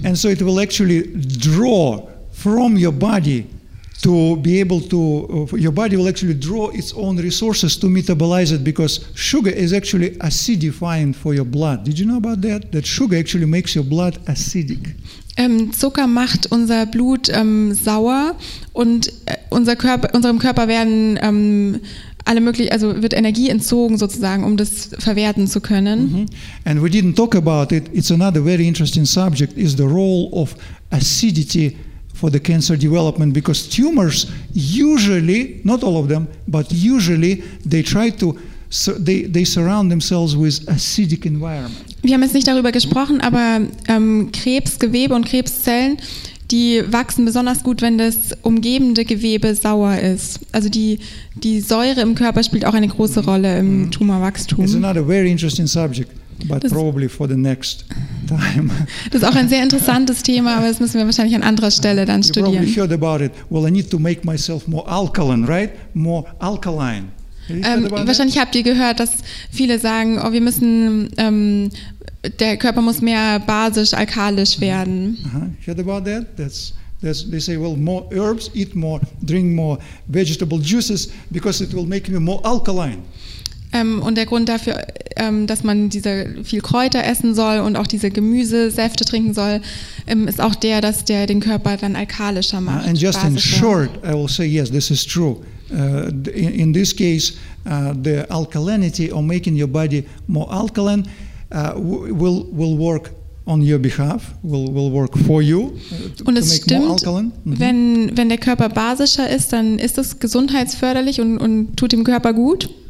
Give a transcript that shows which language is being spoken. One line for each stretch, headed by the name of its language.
English: And so it will actually draw from your body to be able to, your body will actually draw its own resources to metabolize it, because sugar is actually acidifying for your blood. Did you know about that? That sugar actually makes your blood acidic.
German: Zucker macht unser Blut sauer und unserem Körper werden wird Energie entzogen sozusagen, um das verwerten zu können. Mm-hmm.
English: And we didn't talk about it. It's another very interesting subject, is the role of acidity for the cancer development, because tumors usually, not all of them, but usually they try to, they surround themselves with acidic environment.
German: Wir haben jetzt nicht darüber gesprochen, aber Krebsgewebe und Krebszellen, die wachsen besonders gut, wenn das umgebende Gewebe sauer ist. Also die Säure im Körper spielt auch eine große Rolle im Tumorwachstum.
English: It's another very interesting subject, but probably for the next time.
German: Das ist auch ein sehr interessantes Thema, aber das müssen wir wahrscheinlich an anderer Stelle dann studieren.
English: You probably heard about it. Well, I need to make myself more alkaline, right? More alkaline.
German: Wahrscheinlich habt ihr gehört, dass viele sagen, oh, wir müssen, der Körper muss mehr basisch alkalisch werden.
English: Uh-huh. Heard about that? That's they say, well, more herbs, eat more, drink more vegetable juices, because it will make you more alkaline.
German: Und der Grund dafür, dass man diese viel Kräuter essen soll und auch diese Gemüsesäfte trinken soll, ist auch der, dass der den Körper dann alkalischer macht.
English: And just in short, I will say, yes, this is true. In this case, the alkalinity, or making your body more alkaline, will work on your behalf, will work for you to make
German: stimmt,
English: more alkaline.
German: Und es stimmt, wenn der Körper basischer ist, dann ist es gesundheitsförderlich und tut dem Körper gut.